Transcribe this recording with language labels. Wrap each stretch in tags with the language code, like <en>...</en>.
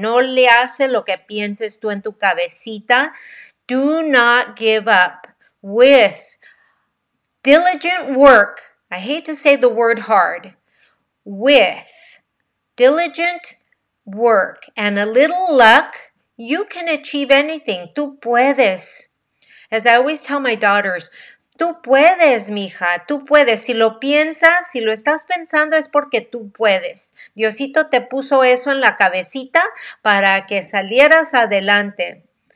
<es>No le hace lo que pienses tú en tu cabecita.</es> <en>Do not give up. With diligent work, I hate to say the word hard, with diligent work and a little luck, you can achieve anything.</en> <es>Tú puedes.</es> <en>As I always tell my daughters,</en> <es>tú puedes, mija, tú puedes. Si lo piensas, si lo estás pensando, es porque tú puedes. Diosito te puso eso en la cabecita para que salieras adelante.</es>